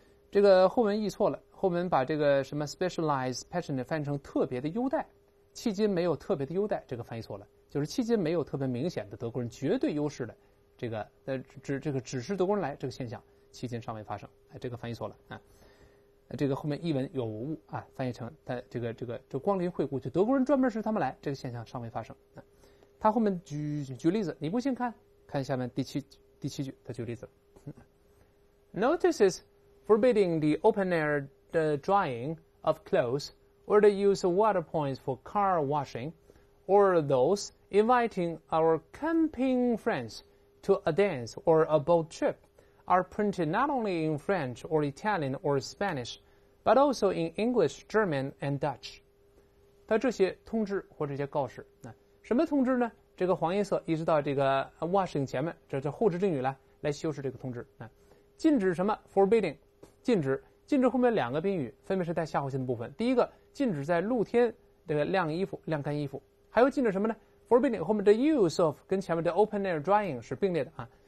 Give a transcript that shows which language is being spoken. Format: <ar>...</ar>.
<zh>这个后文译错了，后文把这个什么 specialized patronage 翻译成特别的优待，迄今没有特别的优待，这个翻译错了，就是迄今没有特别明显的德国人绝对优势的只是德国人来这个现象，迄今尚未发生。这个翻译错了啊，这个后面译文有误啊，翻译成他这个光临惠顾，就德国人专门是他们来，这个现象尚未发生啊。他后面举例子，你不信看下面第七句，他举例子。</zh> <en>Notices forbidding the open air the drying of clothes or the use of water points for car washing or those inviting our camping friends to a dance or a boat trip. Are printed not only in French or Italian or Spanish, but also in English, German, and Dutch.</en> <zh>它这些通知或者这些告示，什么通知呢？这个黄颜色一直到这个 washing 前面，这叫后置定语来修饰这个通知。禁止什么 ？Forbidding， 禁止后面两个宾语分别是带下划线的部分。第一个禁止在露天这个晾衣服、晾干衣服，还有禁止什么呢 ？Forbidding 后面的 use of 跟前面的 open air drying 是并列的啊。</zh>